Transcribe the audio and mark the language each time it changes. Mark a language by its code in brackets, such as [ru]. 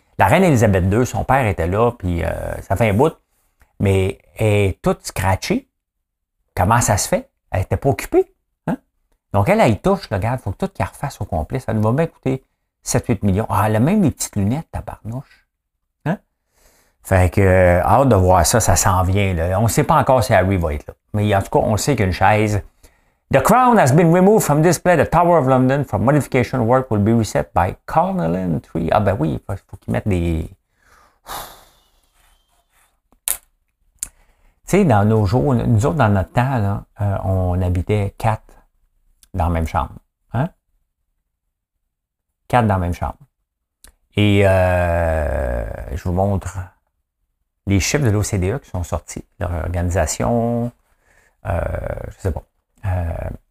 [fr] La reine Elisabeth II, son père était là, puis ça fait un bout. Mais elle est toute scratchée. Comment ça se fait? Elle était pas occupée. Hein? Donc, elle touche, là, regarde, faut que tout qu'elle refasse au complet. Ça va bien coûter 7-8 millions. Ah, elle a même des petites lunettes, tabarnouche. Fait que, hâte de voir ça, ça s'en vient. Là. On ne sait pas encore si Harry va être là. Mais en tout cas, on sait qu'une chaise... [en] The crown has been removed from display. The Tower of London for modification work will be reset by Carnelian Tree. [fr] Ah ben oui, il faut qu'ils mettent des... Tu sais, dans nos jours, nous autres, dans notre temps, là, on habitait 4 dans la même chambre. Hein? Quatre dans la même chambre. Et je vous montre les chiffres de l'OCDE qui sont sortis, leur organisation, je ne sais pas.